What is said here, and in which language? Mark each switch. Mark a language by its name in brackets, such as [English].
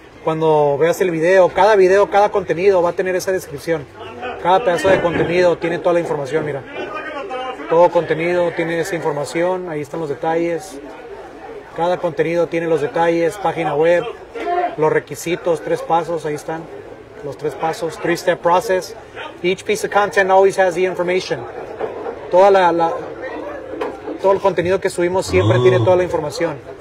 [Spanish] Cuando veas el video, cada contenido va a tener esa descripción. Cada pedazo de contenido tiene toda la información, mira. Todo contenido tiene esa información, ahí están los detalles. Cada contenido tiene los detalles, página web, los requisitos, tres pasos, ahí están. Los tres pasos, [English] three-step process. Each piece of content always has the information. [Spanish] Toda todo el contenido que subimos siempre tiene toda la información.